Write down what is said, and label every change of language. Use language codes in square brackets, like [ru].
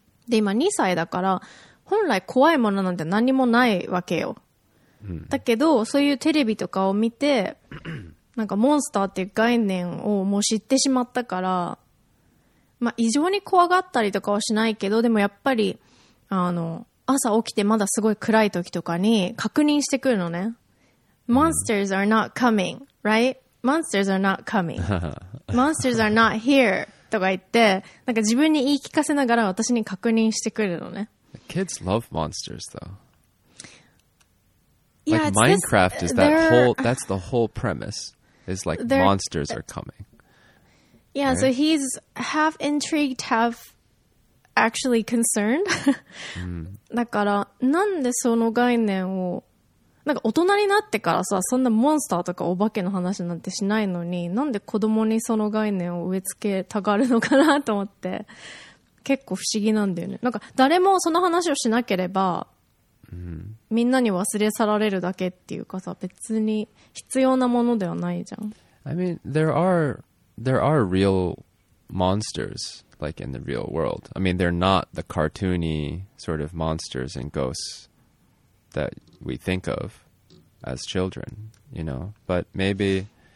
[ja] で今2歳だから本来怖いものなんて何もないわけよ、だけどそういうテレビとかを見てなんかモンスターっていう概念をもう知ってしまったから、まあ異常に怖がったりとかはしないけど、でもやっぱり、朝起きてまだすごい暗い時とかに確認してくるのね。 [en] Monsters are not coming, right? Monsters are not coming. Monsters are not here. [ja] とか言って、なんか自分に言い聞かせながら私に確認してくるのね。 [en] Kids love monsters though. Yeah, like Minecraft is that whole, that's the whole premise. It's like monsters are coming. Yeah, right? So he's half intrigued, half actually concerned. [ja] だからなんでその概念を、なんか大人になってからさ、そんなモンスターとかお化けの話なんてしないのに、なんで子供にその概念を植え付けたがるのかなと思って、結構不思議なんだよね。なんか誰もその話をしなければ、みんなに忘れ去られるだけっていうかさ、別に必要なものではないじゃん。 [en] I mean, there are real monsters, like in the real world. I mean, they're not the cartoony sort of monsters and ghosts that we think of as children, you know, but maybe